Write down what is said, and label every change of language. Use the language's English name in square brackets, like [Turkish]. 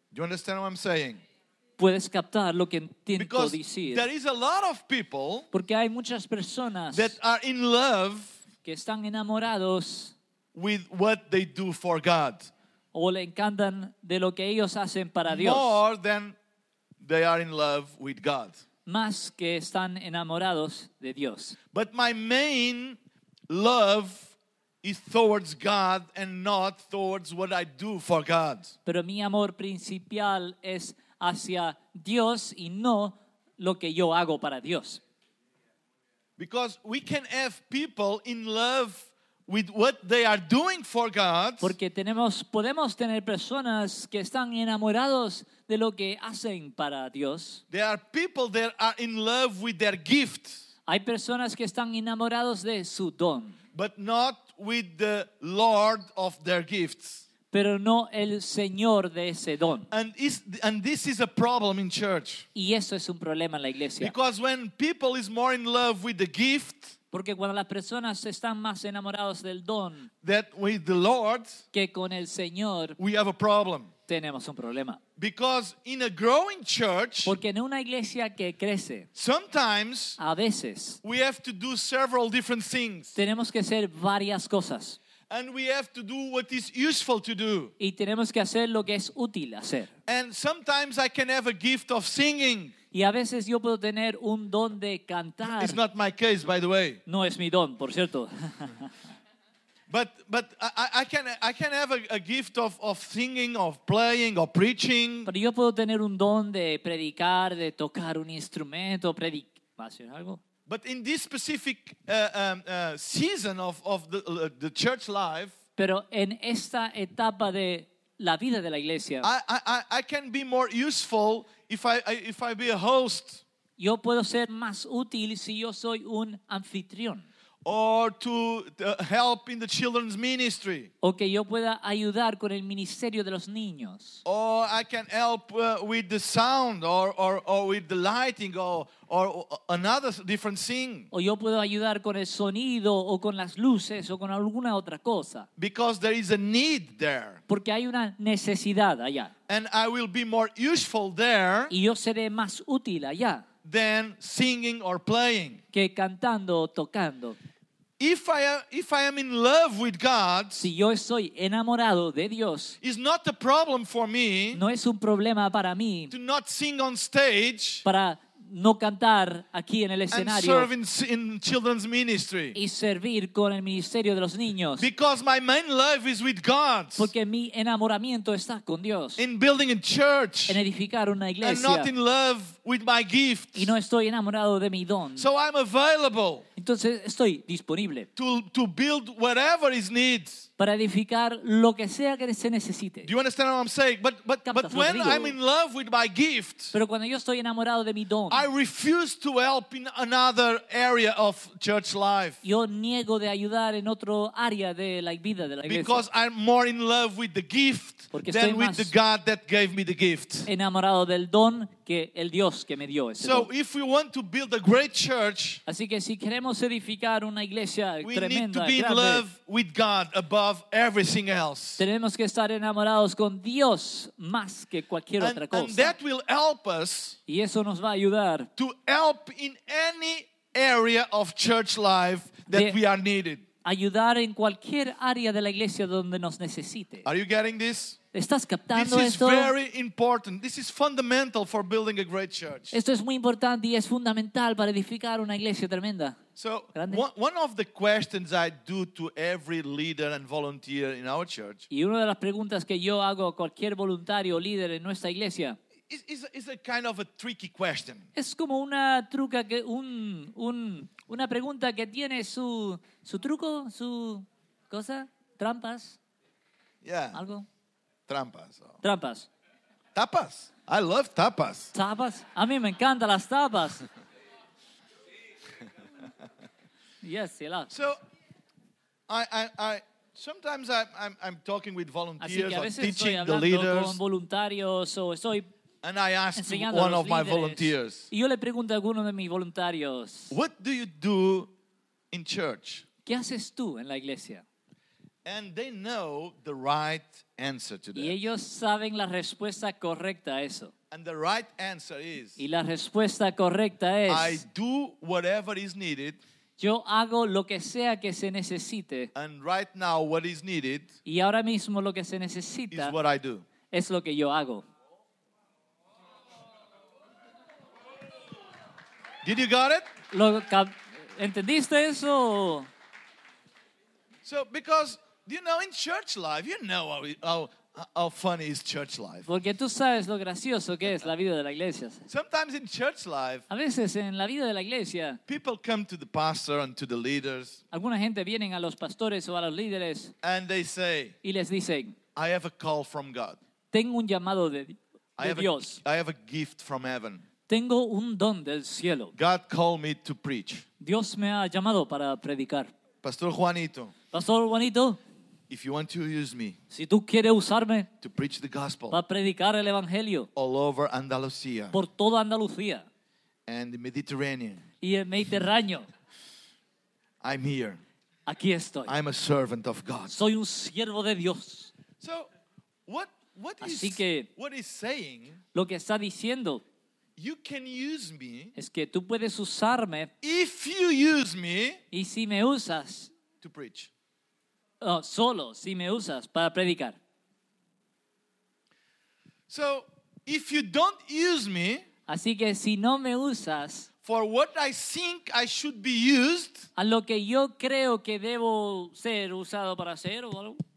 [English] You understand what I'm saying? [Spanish] Puedes captar lo que intento [English] Because [Spanish] decir. [English] There is a lot of people [Spanish] Porque hay muchas personas [English] that are in love [Spanish] que están enamorados [English] with what they do for God. [Spanish] O le encantan de lo que ellos hacen para Dios. [English] More than they are in love with God. [Spanish] Más que están enamorados de Dios. [English] But my main love is towards God and not towards what I do for God. [Spanish] Pero mi amor principal es hacia Dios y no lo que yo hago para Dios. [English] Because we can have people in love with what they are doing for God. [Spanish] Porque podemos tener personas que están enamorados de lo que hacen para Dios. [English] There are people that are in love with their gift. [Spanish] Hay personas que están enamorados de su don. [English] But not with the Lord of their gifts. [Spanish] Pero no el Señor de ese don. [English] And this is a problem in church. [Spanish] Y eso es un problema en la iglesia. [English] Because when people is more in love with the gift. [Spanish] Porque cuando las personas están más enamorados del don [English] that with the Lord, [Spanish] que con el Señor, [English] we have a problem. [Spanish] Tenemos un problema. [English] Because in a growing church, [Spanish] porque en una iglesia que crece, [English] sometimes, [Spanish] a veces, [English] we have to do several different things. [Spanish] Tenemos que hacer varias cosas. [English] And we have to do what is useful to do. [Spanish] Y tenemos que hacer lo que es útil hacer. [English] And sometimes I can have a gift of singing. [Spanish] Y a veces yo puedo tener un don de cantar. [English] It's not my case, by the way. [Spanish] No es mi don, por cierto. [English] But I can have a gift of singing, of playing, or preaching. [Spanish] Pero yo puedo tener un don de predicar, de tocar un instrumento, predicar algo. [English] But in this specific season of the church life, [Spanish] pero en esta etapa de la vida de la iglesia, [English] I can be more useful if I be a host. [Spanish] Yo puedo ser más útil si yo soy un anfitrión. [English] Or to help in the children's ministry. [Spanish] O que yo pueda ayudar con el ministerio de los niños. [English] Or I can help with the sound or with the lighting or another different thing. [Spanish] O yo puedo ayudar con el sonido o con las luces o con alguna otra cosa. [English] Because there is a need there. [Spanish] Porque hay una necesidad allá. [English] And I will be more useful there. [Spanish] Y yo seré más útil allá. [English] Than singing or playing. [Spanish] Que cantando o tocando. [English] If I am in love with God, [Spanish] si yo estoy enamorado de Dios, [English] is not a problem for me. [Spanish] No es un problema para mí. [English] To not sing on stage. [Spanish] Para no cantar aquí en el escenario. [English] And serve in children's ministry. [Spanish] Y servir con el ministerio de los niños. [English] Because my main love is with God. [Spanish] Porque mi enamoramiento está con Dios. [English] In building a church. [Spanish] En edificar una iglesia. [English] And not in love with my gift. [Spanish] Y no estoy enamorado de mi don. [English] So I'm available. [Spanish] Entonces estoy disponible. [English] To build whatever is needs. [Spanish] Para edificar lo que sea que se necesite. [English] Do you understand what I'm saying? But when I'm in love with my gift, [Spanish] pero cuando yo estoy enamorado de mi don, [English] I refuse to help in another area of church life. [Spanish] Yo niego de ayudar en otro área de la vida de la iglesia. [English] Because I'm more in love with the gift than with the God that gave me the gift. [Spanish] Enamorado del don que el Dios que me dio ese don. [English] So if we want to build a great church, [Spanish] así que si queremos edificar una iglesia [English] we [Spanish] tremenda, [English] need to be [Spanish] grande, [English] in love with God above. Of everything else. [Spanish] Tenemos que estar enamorados con Dios más que cualquier otra cosa. [English] And that will help us. [Spanish] Y eso nos va a ayudar. [English] To help in any area of church life that we are needed. [Spanish] Ayudar en cualquier área de la iglesia donde nos necesite. [English] Are you getting this? [Spanish] ¿Estás captando esto? [English] This is [Spanish] esto? [English] Very important. This is fundamental for building a great church. [Spanish] Esto es muy importante y es fundamental para edificar una iglesia tremenda. [English] So, one of the questions I do to every leader and volunteer in our church. [Spanish] Y una de las preguntas que yo hago a cualquier voluntario o líder en nuestra iglesia. [English] Is a kind of a tricky question. [Spanish] Es como una truca que una pregunta que tiene su truco, su cosa, trampas. [English] Yeah. [Spanish] Algo. Trampas. Oh. Trampas. [English] Tapas. I love tapas. [Spanish] Tapas. A mí me encantan las tapas. [English] Yes, he loves. So, I'm talking with volunteers or teaching the leaders. [Spanish] Con voluntarios, o estoy [English] and I ask one of my volunteers. [Spanish] Y yo le pregunto a alguno de mis voluntarios. [English] What do you do in church? [Spanish] ¿Qué haces tú en la iglesia? [English] And they know the right answer to that. [Spanish] Y ellos saben la respuesta correcta a eso. [English] And the right answer is. [Spanish] Y la respuesta correcta es. [English] I do whatever is needed. [Spanish] Yo hago lo que sea que se necesite. [English] And right now what is needed. [Spanish] Y ahora mismo lo que se necesita. [English] Is what I do. [Spanish] Es lo que yo hago. [English] Did you got it? [Spanish] ¿Entendiste eso? [English] So because. You know, in church life, you know how funny is church life. [Spanish] Porque tú sabes lo gracioso que es la vida de la iglesia. [English] Sometimes in church life, [Spanish] a veces en la vida de la iglesia, [English] people come to the pastor and to the leaders. [Spanish] Alguna gente vienen a los pastores o a los líderes. [English] And they say, [Spanish] y les dicen, [English] I have a call from God. [Spanish] Tengo un llamado de Dios. [English] I have a gift from heaven. [Spanish] Tengo un don del cielo. [English] God called me to preach. [Spanish] Dios me ha llamado para predicar. [English] Pastor Juanito. [Spanish] Pastor Juanito. [English] If you want to use me, [Spanish] si tú quieres usarme, [English] to preach the gospel, [Spanish] para predicar el evangelio, [English] all over Andalucía, [Spanish] por toda Andalucía, [English] and the Mediterranean, [Spanish] y el Mediterráneo, [English] I'm here. [Spanish] Aquí estoy. [English] I'm a servant of God. [Spanish] Soy un siervo de Dios. [English] So, what [Spanish] Así is que, [English] what is saying? [Spanish] Lo que está diciendo. [English] You can use me. [Spanish] Es que tú puedes usarme. [English] If you use me. [Spanish] Y si me usas. [English] To preach. [Spanish] No, solo si me usas para predicar. [English] So, if you don't use me. [Spanish] Así que si no me usas. [English] For what I think I should be used. [Spanish] A lo que yo creo que debo ser usado para hacer o algo.